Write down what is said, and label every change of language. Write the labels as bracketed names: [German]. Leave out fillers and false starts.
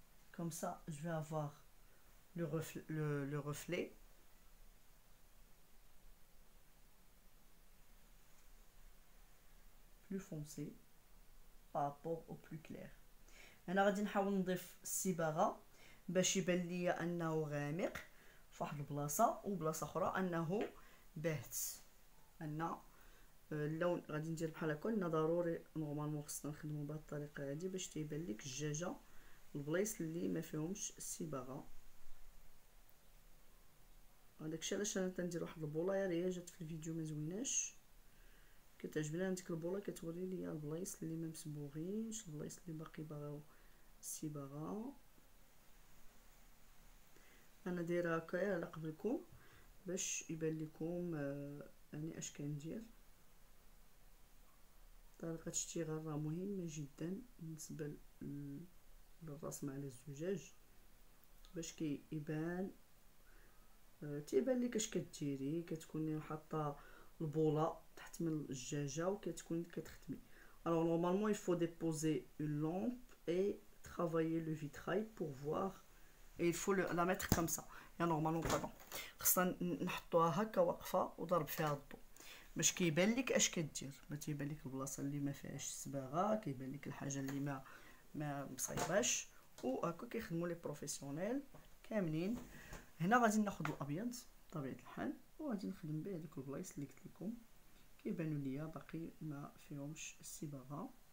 [French] Comme ça, je vais avoir le reflet. Plus foncé par rapport au plus clair. [Arabic] انا غادي نحاول نضيف السباغه باش يبان لي انه غامق فواحد البلاصه وبلاصه اخرى انه باهت. ان اللون غادي ندير بحال هكا، لان ضروري نورمالمون خصنا نخدمو بهذه الطريقه هذه باش تيبان لك الجاجه البلايص اللي ما فيهمش السباغه. داكشي علاش انا تندير واحد البوله، يا ريت جات في الفيديو ما زويناش، كتعجبني انا ديك البوله كتوري لي البلايص اللي ما مصبوغينش، البلايص اللي باقي باغاو السباغه. انا دايره هكا على قبلكم باش يبان لكم يعني اش كندير. طريقه الاشتغال راه مهمه جدا بالنسبه للرسم على الزجاج باش كيبان تيبان لك اش كديري، كتكوني حاطه البوله تحت من الزجاجه وكتكوني كتخدمي. [French] الوغ نورمالمون il faut déposer une lampe et travailler le vitrail pour voir et il faut la mettre comme ça. [Arabic] يا نورمالمون طبعا خصنا نحطوها هكا واقفه وضرب فيها الضو باش كيبان لك اش كدير. ما تيبان لك البلاصه اللي ما فيهاش الصباغه، كيبان لك الحاجه اللي ما مصايباش. وهكا كيخدموا لي بروفيسيونيل كاملين. هنا غادي ناخذ الابيض بطبيعه الحال وغادي نخدم به هذوك البلايص اللي قلت لكم كيبانوا ليا باقي ما فيهمش الصباغه.